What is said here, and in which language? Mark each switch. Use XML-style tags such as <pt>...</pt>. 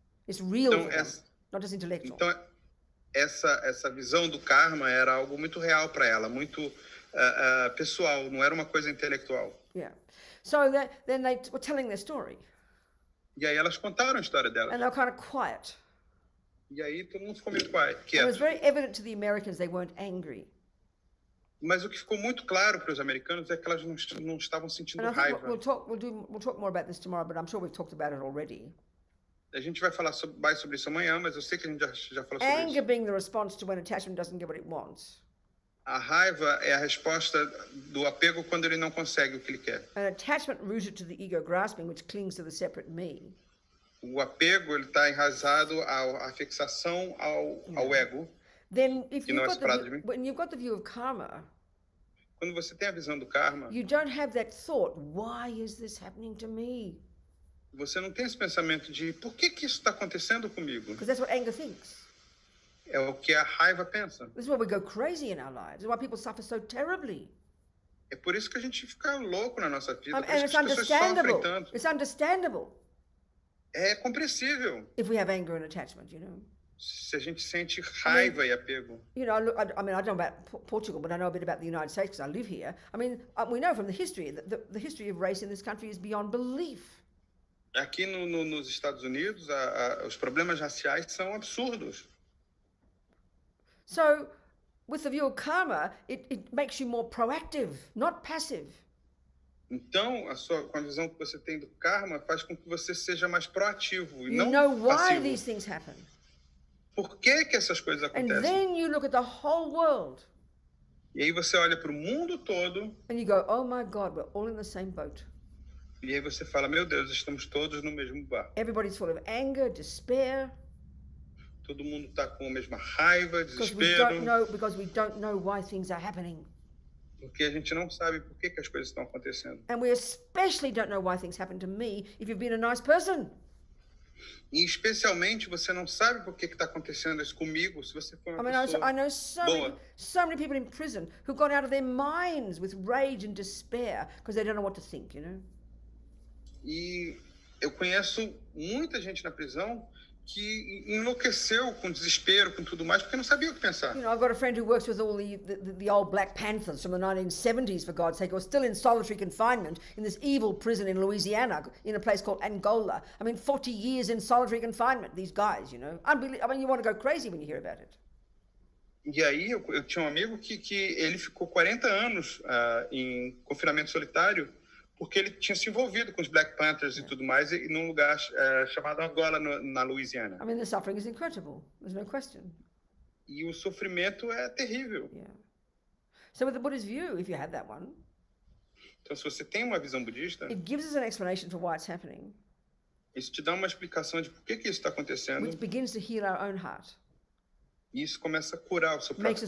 <en>It's real</en> <pt>então,</pt> <en>for them, not just intellectual.</en> <pt>Então, essa visão do karma era algo muito real para ela, muito pessoal, não era uma coisa intelectual.</pt> <en>Yeah. So that, then they were telling their story.</en> <pt>E aí elas contaram a história delas.</pt> <en>And they were kind of quiet.</en> <pt>E aí todo mundo ficou meio quieto.</pt> <en>It was very evident to the Americans they weren't angry.</en> <pt>Mas o que ficou muito claro para os americanos é que elas não estavam sentindo raiva.</pt> <en>We'll talk more about this tomorrow, but I'm sure we've talked about it already.</en> <pt>A gente vai falar mais sobre isso amanhã, mas eu sei que a gente já falou sobre</pt> <en>anger Anger being the response to when attachment doesn't get what it wants.</en> <pt>A raiva é a resposta do apego quando ele não consegue o que ele quer.</pt> <en>An attachment rooted to the ego grasping, which clings to the separate me.</en> <pt>O apego ele está enraizado à fixação ao ego.</pt> <en>Then, if you've got the view of karma,</en> <pt>quando você tem a visão do karma,</pt> <en>you don't have that thought, why is this happening to me?</en> <pt>Você não tem esse pensamento de por que que isso está acontecendo comigo?</pt> <en>Because that's what anger thinks.</en> <pt>É o que a raiva pensa.</pt> <en>This is why we go crazy in our lives. This is why people suffer so terribly.</en> <pt>É por isso que a gente fica louco na nossa vida.</pt> <en>And it's understandable. It's understandable.</en> <pt>É compreensível.</pt> <en>If we have anger and attachment, you know.</en> <pt>Se a gente sente raiva e apego.</pt> <en>You know, I don't know about Portugal, but I know a bit about the United States because I live here. I mean, we know from the history that the history of race in this country is beyond belief.</en> <pt>Aqui nos Estados Unidos, os problemas raciais são absurdos.</pt> <en>So, with the view of karma, it makes you more proactive, not passive.</en> <pt>Então, com a visão que você tem do karma, faz com que você seja mais proativo e</pt> <en>you</en> <pt>não</pt> <en>know</en> <pt>passivo.</pt> <en>Why these things happen.</en> <pt>Por que que essas coisas acontecem?</pt> <en>And then you look at the whole world.</en> <pt>E aí você olha para o mundo todo.</pt> <en>And you go, oh my God, we're all in the same boat.</en> <pt>E aí você fala, meu Deus, estamos todos no mesmo barco.</pt> <en>Everybody's full of anger, despair.</en> <pt>Todo mundo está com a mesma raiva, desespero.</pt> <en>Because we don't know why things are happening.</en> <pt>Porque a gente não sabe por que que as coisas estão acontecendo.</pt> <en>And we especially don't know why things happen to me if you've been a nice person.</en> <pt>E especialmente você não sabe por que está acontecendo isso comigo se você for uma pessoa boa.</pt> <en>I know so many people in prison who got out of their minds with rage and despair because they don't know what to think, you know?</en> <pt>E eu conheço muita gente na prisão que enlouqueceu com desespero, com tudo mais, porque não sabia o que pensar.</pt> <en>You know, I've got a friend who works with all the old black panthers from the 1970s, for God's sake, who are still in solitary confinement in this evil prison in Louisiana, in a place called Angola. I mean, 40 years in solitary confinement, these guys, you know. You want to go crazy when you hear about it.</en> <pt>E aí, eu tinha um amigo que ele ficou 40 anos em confinamento solitário, porque ele tinha se envolvido com os Black Panthers e tudo mais, e num lugar chamado Angola, na Louisiana.</pt> <en>I mean, the suffering is incredible. There's no question.</en> <pt>E o sofrimento é terrível.</pt> <en>Yeah. So with the Buddhist view, if you had that one,</en> <pt>então, se você tem uma visão budista,</pt> <en>it gives us an explanation for why it's happening.</en> <pt>Isso te dá uma explicação de por que que isso está acontecendo.</pt> <en>Which begins to heal our own heart.</en> <pt>E isso começa a curar o seu próprio</pt>